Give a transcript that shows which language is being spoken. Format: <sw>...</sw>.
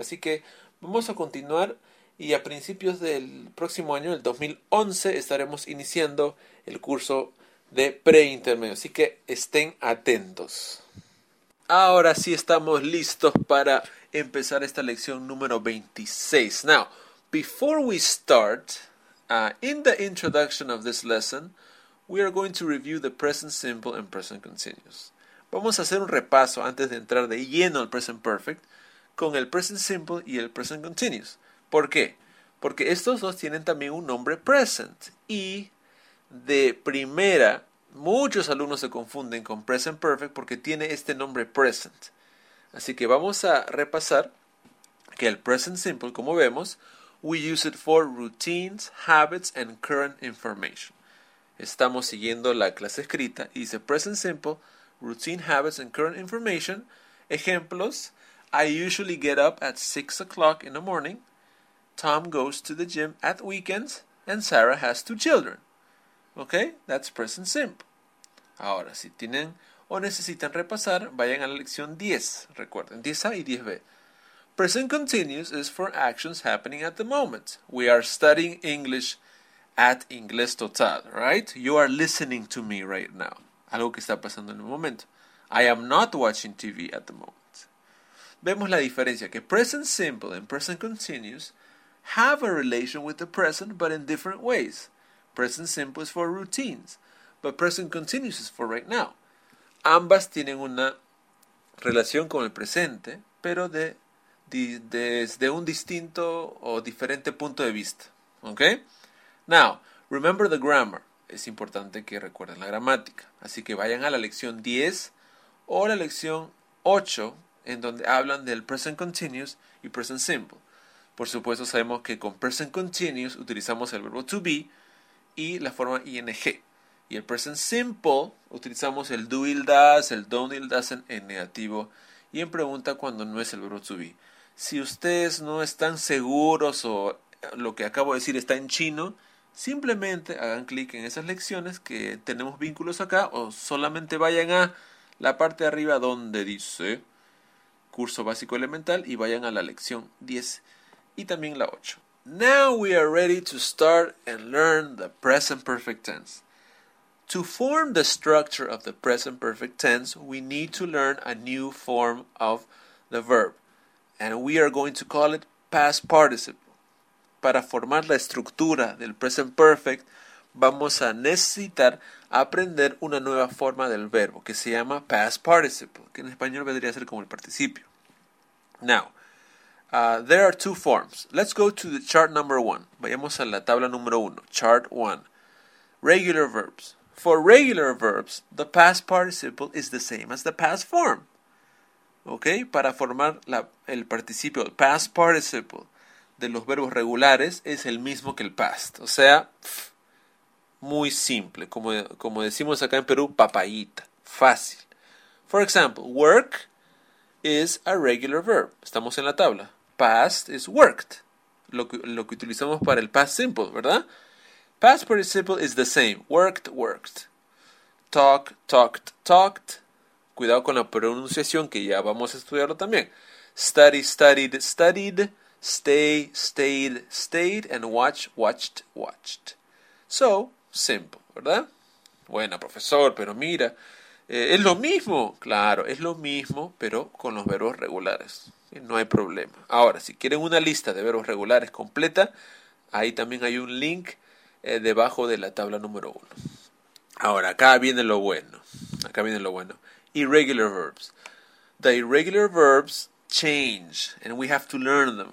<es>Así que vamos a continuar. Y a principios del próximo año, el 2011, estaremos iniciando el curso de pre-intermedio, así que estén atentos. Ahora sí estamos listos para empezar esta lección número 26.</es> <en>Now, before we start, in the introduction of this lesson, we are going to review the present simple and present continuous.</en> <es>Vamos a hacer un repaso antes de entrar de lleno al present perfect con el present simple y el present continuous. ¿Por qué? Porque estos dos tienen también un nombre present y de primera, muchos alumnos se confunden con present perfect porque tiene este nombre present. Así que vamos a repasar que el present simple, como vemos,</es> <en>we use it for routines, habits, and current information.</en> <es>Estamos siguiendo la clase escrita y dice present simple,</es> <en>routine, habits, and current information. Ejemplos, I usually get up at 6 o'clock in the morning. Tom goes to the gym at weekends. And Sarah has two children. Ok, that's present simple.</en> <es>Ahora, si tienen o necesitan repasar, vayan a la lección 10, recuerden, 10A y 10B.</es> <en>Present continuous is for actions happening at the moment. We are studying English at Inglés Total, right? You are listening to me right now.</en> <es>Algo que está pasando en el momento.</es> <en>I am not watching TV at the moment.</en> <es>Vemos la diferencia,</es> <en>que present simple and present continuous have a relation with the present, but in different ways. Present simple is for routines, but present continuous is for right now.</en> <es>Ambas tienen una relación con el presente, pero desde un distinto o diferente punto de vista. Okay?</es> <en>Now, remember the grammar.</en> <es>Es importante que recuerden la gramática. Así que vayan a la lección 10 o la lección 8, en donde hablan del present continuous y present simple. Por supuesto, sabemos que con present continuous utilizamos el verbo to be, y la forma ing. Y el present simple utilizamos el do il das, el don il das en negativo y en pregunta cuando no es el verbo to be. Si ustedes no están seguros o lo que acabo de decir está en chino, simplemente hagan clic en esas lecciones que tenemos vínculos acá o solamente vayan a la parte de arriba donde dice curso básico elemental y vayan a la lección 10 y también la 8.</es> <en>Now we are ready to start and learn the present perfect tense. To form the structure of the present perfect tense, we need to learn a new form of the verb. And we are going to call it past participle.</en> <es>para formar la estructura del present perfect, vamos a necesitar aprender una nueva forma del verbo que se llama past participle, que en español vendría a ser como el participio.</es> <en>Now, there are two forms. Let's go to the chart number one.</en> <es>Vayamos a la tabla número uno,</es> <en>chart one. Regular verbs. For regular verbs, the past participle is the same as the past form.</en> <es>Okay, para formar el participio, el past participle de los verbos regulares es el mismo que el past. O sea, muy simple, como decimos acá en Perú, papayita, fácil.</es> <en>For example, work is a regular verb.</en> <es>Estamos en la tabla.</es> <en>Past is worked,</en> <es>lo que utilizamos para el past simple, ¿verdad?</es> <en>Past participle is the same. Worked, worked. Talk, talked, talked.</en> <es>Cuidado con la pronunciación, que ya vamos a estudiarlo también.</es> <en>Study, studied, studied. Stay, stayed, stayed. And watch, watched, watched. So, simple, ¿verdad?</en> <es>Bueno, profesor, pero mira, es lo mismo. Claro, es lo mismo, pero con los verbos regulares. No hay problema. Ahora, si quieren una lista de verbos regulares completa, ahí también hay un link debajo de la tabla número 1. Ahora, acá viene lo bueno. Acá viene lo bueno. Irregular verbs.</es> <en>The irregular verbs change, and we have to learn them.</en>